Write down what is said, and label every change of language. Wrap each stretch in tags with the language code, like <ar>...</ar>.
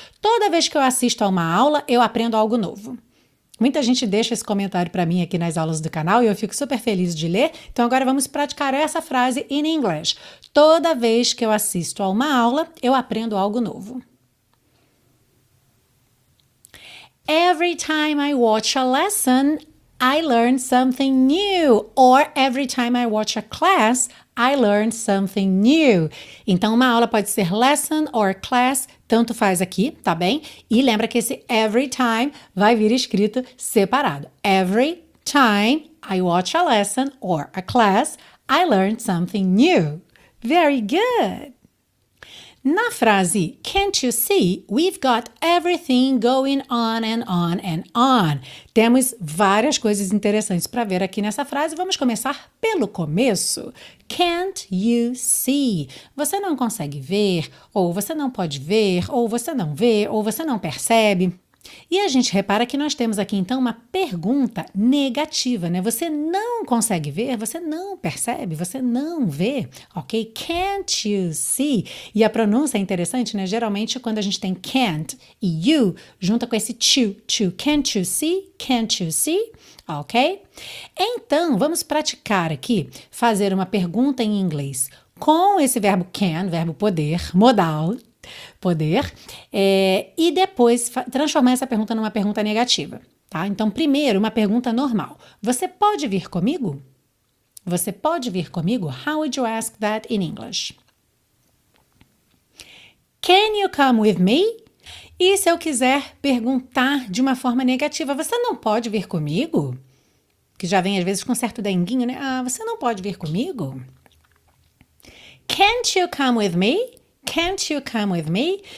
<pt>Toda vez que eu assisto a uma aula, eu aprendo algo novo. Muita gente deixa esse comentário para mim aqui nas aulas do canal e eu fico super feliz de ler. Então, agora vamos praticar essa frase</pt> <en>in English.</en> <pt>Toda vez que eu assisto a uma aula, eu aprendo algo novo.</pt> <en>Every time I watch a lesson, I learn something new. Or every time I watch a class, I learn something new.</en> <pt>Então, uma aula pode ser lesson or class, tanto faz aqui, tá bem? E lembra que esse every time vai vir escrito separado.</pt> <en>Every time I watch a lesson or a class, I learn something new. Very good!</en> <pt>Na frase,</pt> <en>can't you see, we've got everything going on and on and on.</en> <pt>Temos várias coisas interessantes para ver aqui nessa frase. Vamos começar pelo começo.</pt> <en>Can't you see?</en> <pt>Você não consegue ver, ou você não pode ver, ou você não vê, ou você não percebe. E a gente repara que nós temos aqui, então, uma pergunta negativa, né? Você não consegue ver, você não percebe, você não vê, ok?</pt> <en>Can't you see?</en> <pt>E a pronúncia é interessante, né? Geralmente, quando a gente tem can't e you, junta com esse to.</pt> <en>Can't you see? Can't you see?</en> <pt>Ok? Então, vamos praticar aqui, fazer uma pergunta em inglês com esse verbo can, verbo poder, modal, poder, e depois transformar essa pergunta numa pergunta negativa, tá? Então, primeiro, uma pergunta normal. Você pode vir comigo? Você pode vir comigo?</pt> <en>How would you ask that in English? Can you come with me?</en> <pt>E se eu quiser perguntar de uma forma negativa, você não pode vir comigo? Que já vem, às vezes, com um certo denguinho, né? Ah, você não pode vir comigo?</pt> <en>Can't you come with me? Can't you come with me?</en>